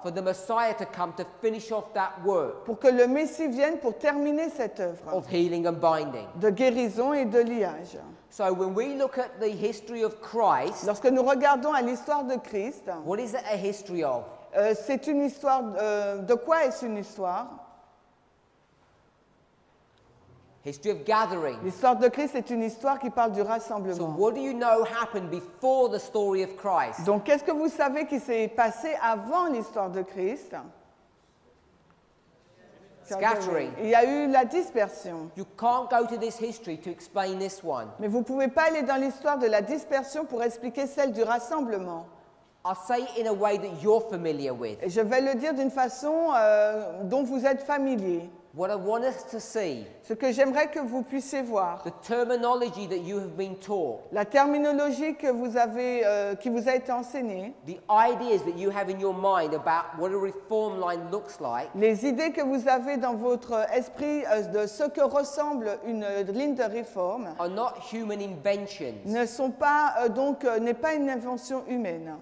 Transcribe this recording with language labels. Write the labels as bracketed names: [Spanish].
[English] For the Messiah to come to finish off that work. [French] Pour que le Messie vienne pour terminer cette œuvre. [English] Of healing and binding. [French] De guérison et de liage. [English] So when we look at the history of Christ. [French] Lorsque nous regardons à l'histoire de Christ. [English] What is it a history of? [French] C'est une histoire. De quoi est-ce une histoire? [English] History of gathering. [French] L'histoire de Christ est une histoire qui parle du rassemblement. [English] So what do you know happened before the story of Christ? [French] Donc, qu'est-ce que vous savez qui s'est passé avant l'histoire de Christ? [English] Scattering. [French] Il y a eu la dispersion. [English] You can't go to this history to explain this one. [French] Mais vous ne pouvez pas aller dans l'histoire de la dispersion pour expliquer celle du rassemblement. [English] I'll say it in a way that you're familiar with. [French] Et je vais le dire d'une façon dont vous êtes familier. [English] What I want us to see. [French] Ce que j'aimerais que vous puissiez voir. [English] The terminology that you have been taught. [French] La terminologie que vous avez, qui vous a été enseignée. [English] The ideas that you have in your mind about what a reform line looks like. [French] Les idées que vous avez dans votre esprit de ce que ressemble une ligne de réforme. [English] Are not human inventions. [French] Ne sont pas donc n'est pas une invention humaine.